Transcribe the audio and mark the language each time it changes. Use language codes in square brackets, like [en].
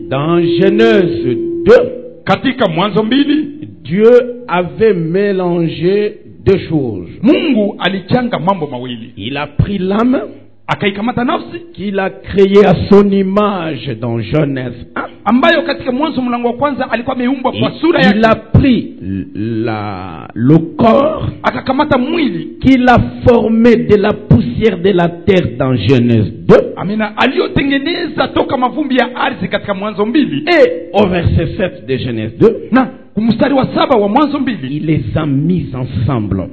[fr] Dans Genèse 2, [sw] katika Mwanzo 2, [fr] Dieu avait mélangé deux choses. [sw] Mungu alichanga mambo mawili. [fr] Il a pris l'âme, [sw] akaikamata nafsi, [fr] qu'il a créé à son image dans Genèse 1. [sw] Ambayo katika Mwanzo mlango wa kwanza alikuwa ameumbwa kwa sura yake. [fr] Il a pris le corps, [sw] akakamata mwili, [fr] qu'il a formé de la poussière de la terre dans Genèse 2. [sw] Amina, aliyotengeneza toka mavumbi ya ardhi katika Mwanzo 2. [fr] Et au verset 7 de Genèse 2. [sw] Na kumstari wa saba wa Mwanzo 2. [fr] Il les a mis ensemble.